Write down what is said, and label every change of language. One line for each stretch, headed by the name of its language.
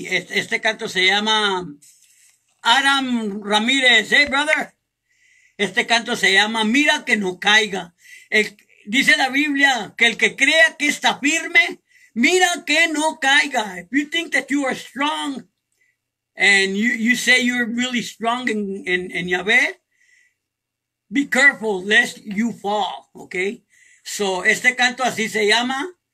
Spanish: Este canto se llama Aram Ramírez,
English: hey brother.
Spanish: Este canto se llama Mira que no caiga. Dice la Biblia que el que crea que está firme, mira que no caiga.
English: If you think that you are strong and you say you're really strong in Yahvé, be careful lest you fall, okay?
Spanish: So, este canto así se llama.